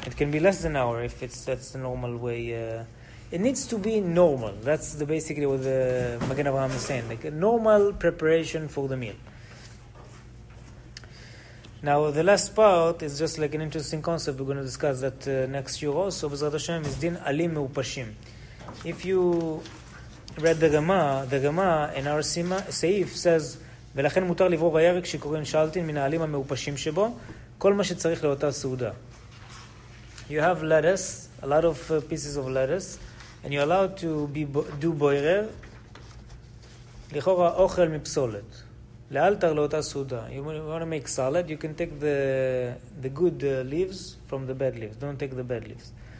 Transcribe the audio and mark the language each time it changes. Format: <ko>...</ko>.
<en>It can be less than an hour if that's the normal way... It needs to be normal. That's the basically what the Magen Avraham is saying. Like a normal preparation for the meal. Now, the last part is just like an interesting concept we're going to discuss that next year also. B'ezrat Hashem is Din Alim Meupashim. If you read the Gemara in our Seif says,</en> <he>ולכן מותר לברור הירק שקוראים שאלטין מן העלים המאופשים שבו, כל מה שצריך לאותה סעודה.</he> <en>You have lettuce, a lot of pieces of lettuce, and you're allowed to do boirer, לכאורה אוכל מפסולת.</en> <he>לאלתר לאותה סעודה.</he> <en>You want to make salad, you can take the good leaves from the bad leaves. Don't take the bad leaves.</en>